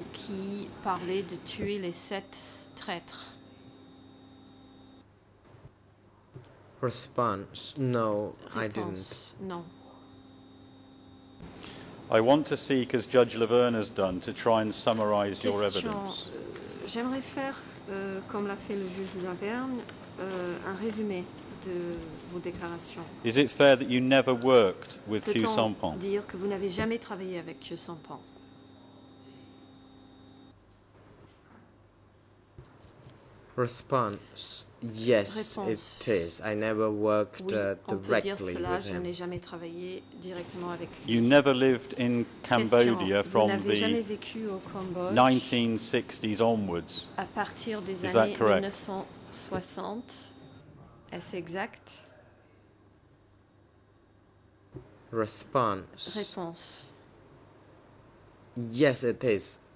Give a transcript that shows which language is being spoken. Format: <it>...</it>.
<fr>Qui parlait de tuer les sept traîtres?</fr> <en>Response. No, I didn't.</en> <fr>Non.</fr> <en>I want to seek, as Judge Laverne has done, to try and summarize your evidence.</en> <fr>J'aimerais faire, comme l'a fait le juge Laverne, un résumé de vos déclarations.</fr> <en>Is it fair that you never worked with Khieu Samphan?</en> <fr>Peut-on dire que vous n'avez jamais travaillé avec Khieu Samphan?</fr> <en>Response. Yes, it is. I never worked directly with him.</en> <fr>Oui, on peut dire cela, je n'ai jamais travaillé directement avec lui.</fr> <en>You never lived in Cambodia from the 1960s onwards.</en> <fr>À partir des années 1960, est-ce exact? Réponse.</fr> <en>Yes, it is.</en>